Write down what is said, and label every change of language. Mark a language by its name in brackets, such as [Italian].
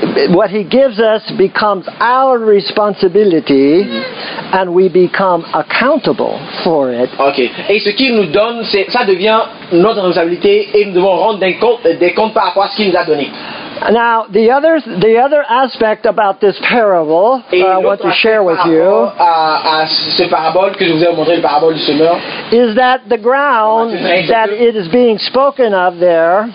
[English] What he gives us becomes our responsibility and we become accountable for it. Okay. [French] Et ce qu'il nous donne, ça devient notre responsabilité et nous devons rendre des comptes par rapport à ce qu'il nous a donné. [English] Now, the other aspect about this parable I want to share with you is that the ground that it is being spoken of there,